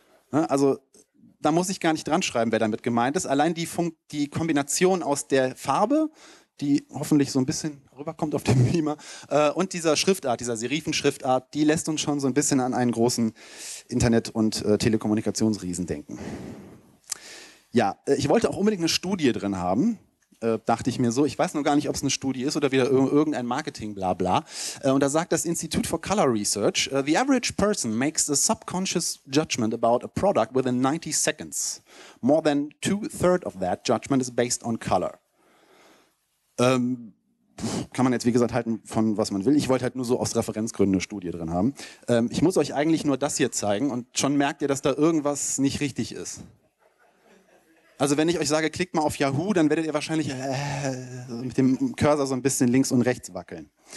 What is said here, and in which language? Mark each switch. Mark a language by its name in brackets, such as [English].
[German] Also, da muss ich gar nicht dran schreiben, wer damit gemeint ist. Allein die Kombination aus der Farbe, die hoffentlich so ein bisschen rüberkommt auf dem Beamer, und dieser Schriftart, dieser Serifenschriftart, die lässt uns schon so ein bisschen an einen großen Internet- und Telekommunikationsriesen denken. Ja, ich wollte auch unbedingt eine Studie drin haben, dachte ich mir so. Ich weiß noch gar nicht, ob es eine Studie ist oder wieder irgendein Marketing-Blabla. Und da sagt das [English] Institute for Color Research, the average person makes a subconscious judgment about a product within 90 seconds. More than 2/3 of that judgment is based on color. [German] Kann man jetzt, wie gesagt, halten von was man will. Ich wollte halt nur so aus Referenzgründen eine Studie drin haben. Ich muss euch eigentlich nur das hier zeigen und schon merkt ihr, dass da irgendwas nicht richtig ist. Also wenn ich euch sage, klickt mal auf Yahoo, dann werdet ihr wahrscheinlich mit dem Cursor so ein bisschen links und rechts wackeln.